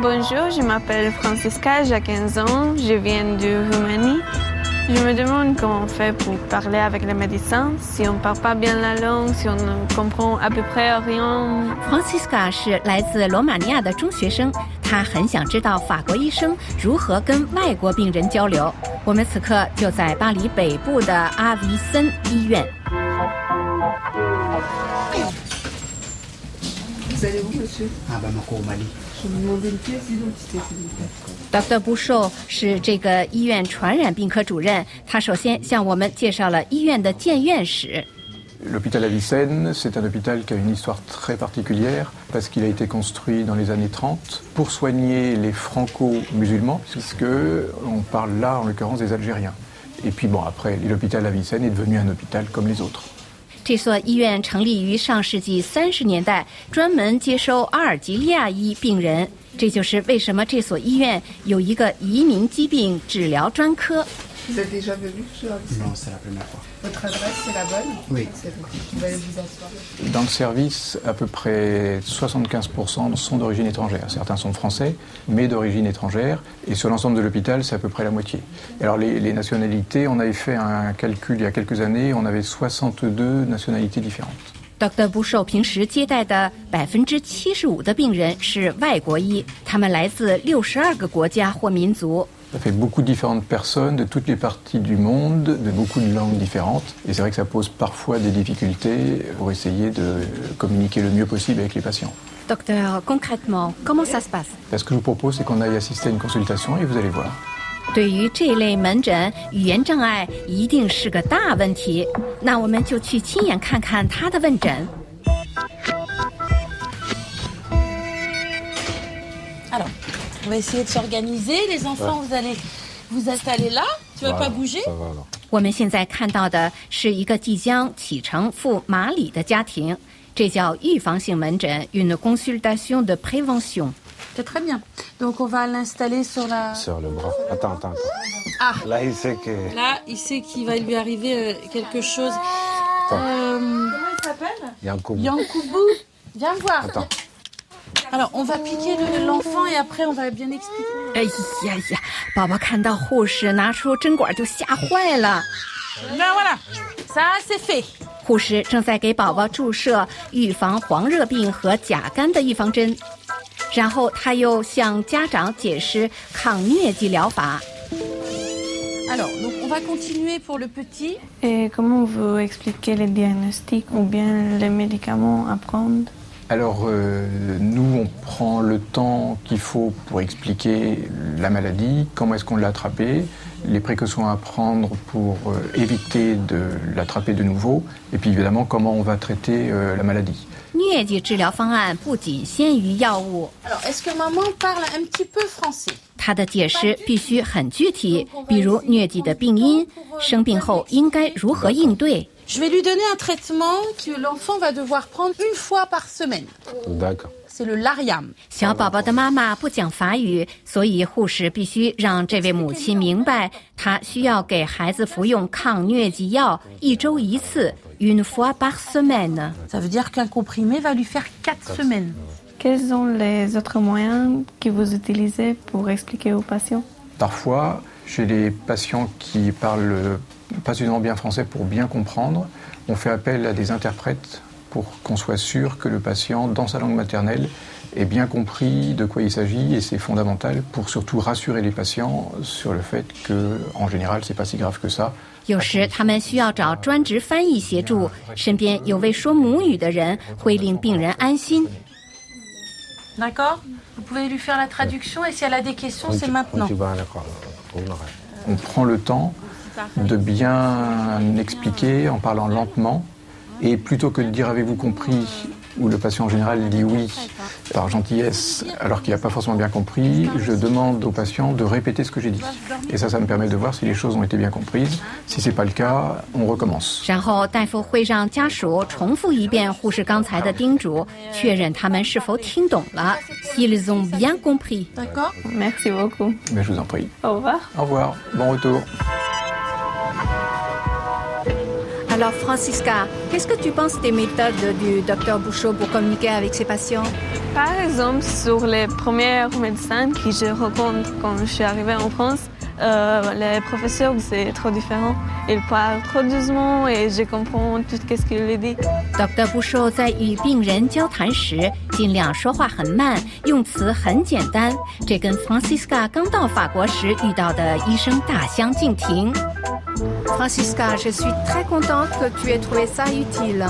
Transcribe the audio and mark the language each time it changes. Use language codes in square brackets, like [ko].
[fr] Bonjour, je m'appelle Francisca, j'ai 15 ans, je viens de Roumanie. Je me demande comment on fait pour parler avec les médecins, si on ne parle pas bien la langue, si on ne comprend à peu près rien. [zh] Francisca 是来自罗马尼亚的中学生，她很想知道法国医生如何跟外国病人交流。我们此刻就在巴黎北部的阿维森医院。 Dr. Bouchot 是这个医院传染病科主任，他首先向我们介绍了医院的建院史。 [fr] L'hôpital Avicenne, c'est un hôpital qui a une histoire très particulière parce qu'il a été construit dans les années 30 pour soigner les franco-musulmans, puisqu'on parle là en l'occurrence des Algériens. Et puis bon, après, l'hôpital Avicenne est devenu un hôpital comme les autres. [zh] 这所医院成立于上世纪30年代，专门接收阿尔及利亚裔病人。这就是为什么这所医院有一个移民疾病治疗专科。 [fr] Dans le service, à peu près 75% sont d'origine étrangère. Certains sont français, mais d'origine étrangère. Et sur l'ensemble de l'hôpital, c'est à peu près la moitié. Alors les nationalités, on avait fait un calcul il y a quelques années, on avait 62 nationalités différentes. [zh] Dr. Bushou 平时接待的75%的病人是外国裔，他们来自62个国家或民族。 [fr] Ça fait beaucoup de différentes personnes de toutes les parties du monde, de beaucoup de langues différentes. Et c'est vrai que ça pose parfois des difficultés pour essayer de communiquer le mieux possible avec les patients. Docteur, concrètement, comment ça se passe? Ce que je vous propose, c'est qu'on aille assister à une consultation et vous allez voir. [zh] 对于这类门诊，语言障碍一定是个大问题。那我们就去亲眼看看他的问诊。 [fr] Alors, on va essayer de s'organiser. Les enfants, vous allez vous installer là. Tu vas pas bouger? [zh] 我们现在看到的是一个即将启程赴马里的家庭，这叫预防性门诊 [fr] （une consultation de prévention）。 C'est très bien. Donc on va l'installer sur la... Sur le bras. Attends. Ah. Là, il sait que... Là, il sait qu'il va lui arriver quelque chose. Comment il s'appelle? Yankoubou. Viens me voir. Attends. Alors, on va piquer l'enfant et après, on va bien expliquer. [zh] 哎呀呀，宝宝看到护士拿出针管就吓坏了。 [fr] 那voilà. Ça, c'est fait. [zh] 护士正在给宝宝注射预防黄热病和甲肝的预防针，然后他又向家长解释抗疟疾疗法。 [fr] Alors, donc on va continuer pour le petit. Et comment vous expliquez les diagnostics ou bien les médicaments à prendre? Alors, nous, on prend le temps qu'il faut pour expliquer la maladie, comment est-ce qu'on l'a attrapée. Les précautions à prendre pour éviter de l'attraper de nouveau, et puis évidemment comment on va traiter la maladie. [zh] 疟疾治疗方案不仅限于药物。 [fr] Alors, est-ce que maman parle un petit peu français? [zh] 她的解释必须很具体，比如疟疾的病因，生病后应该如何应对。 [fr] Je vais lui donner un traitement que l'enfant va devoir prendre une fois par semaine. D'accord. C'est le Lariam. [zh] 小宝宝的妈妈不讲法语，所以护士必须让这位母亲明白，她需要给孩子服用抗疟疾药，一周一次 ， [fr] une fois par semaine. Ça veut dire qu'un comprimé va lui faire 4 semaines. Quels sont les autres moyens que vous utilisez pour expliquer aux patients? Parfois, chez les patients qui parlent pas suffisamment bien français pour bien comprendre, on fait appel à des interprètes. Pour qu'on soit sûr que le patient, dans sa langue maternelle, ait bien compris de quoi il s'agit, et c'est fondamental pour surtout rassurer les patients sur le fait que, en général, c'est pas si grave que ça. [zh] 有时他们需要找专职翻译协助，身边有位说母语的人会令病人安心。 [fr] D'accord. Vous pouvez lui faire la traduction, et si elle a des questions, c'est maintenant. On prend le temps de bien expliquer en parlant lentement. Et plutôt que de dire « avez-vous compris ?» où le patient en général dit « oui » par gentillesse, alors qu'il n'a pas forcément bien compris, je demande au patient de répéter ce que j'ai dit. Et ça me permet de voir si les choses ont été bien comprises. Si ce n'est pas le cas, on recommence. [zh] 然后大夫会让家属重复一遍护士刚才的叮嘱，确认他们是否听懂了。 [fr] S'ils ont bien compris. D'accord. Merci beaucoup. Mais je vous en prie. Au revoir. Au revoir. Bon retour. Alors Francisca, qu'est-ce que tu penses des méthodes du Dr. Bushou pour communiquer avec ses patients? Par exemple, sur les premiers médecins que je rencontre quand je suis arrivée en France, les professeurs, c'est trop différent. Ils parlent trop doucement et je comprends tout ce qu'ils lui disent. [zh] Dr. Bushou 在与病人交谈时尽量说话很慢，用词很简单，这跟 Francisca 刚到法国时遇到的医生大相径庭。 [fr] Francisca, je suis très contente que tu aies trouvé ça utile.